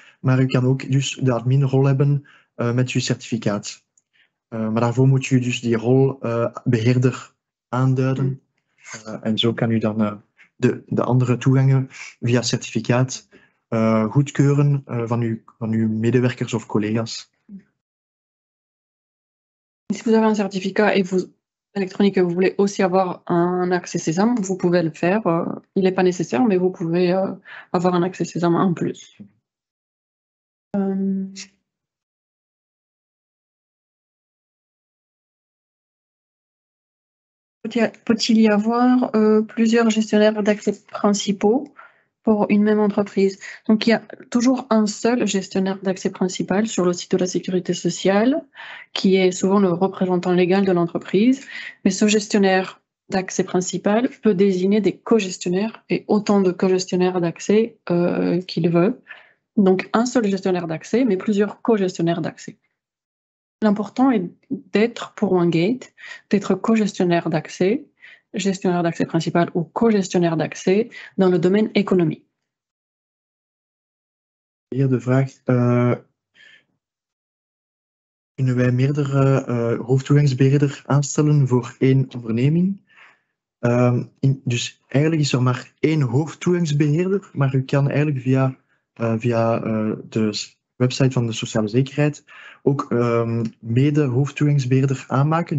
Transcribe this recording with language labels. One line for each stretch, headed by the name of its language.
Dutch: Maar u kan ook dus de adminrol hebben met uw certificaat. Maar daarvoor moet u dus die rol beheerder aanduiden. En zo kan u dan de andere toegangen via certificaat goedkeuren van uw medewerkers of collega's.
French: Si vous avez un certificat électronique et vous voulez aussi avoir un accès Sésame, vous pouvez le faire. Il n'est pas nécessaire, mais vous pouvez avoir un accès Sésame en plus. Peut-il y avoir plusieurs gestionnaires d'accès principaux pour une même entreprise? Donc, il y a toujours un seul gestionnaire d'accès principal sur le site de la Sécurité sociale, qui est souvent le représentant légal de l'entreprise. Mais ce gestionnaire d'accès principal peut désigner des co-gestionnaires et autant de co-gestionnaires d'accès qu'il veut. Donc, un seul gestionnaire d'accès, mais plusieurs co-gestionnaires d'accès. L'important est d'être pour OneGate, d'être co-gestionnaire d'accès, gestionnaire d'accès principal ou co-gestionnaire d'accès dans le domaine économique.
Dutch: Hier de vraag, kunnen wij meerdere hoofdtoegangsbeheerder aanstellen voor één onderneming? Dus eigenlijk is er maar één hoofdtoegangsbeheerder, maar u kan eigenlijk via de website van de Sociale Zekerheid ook mede hoofdtoegangsbeheerder aanmaken.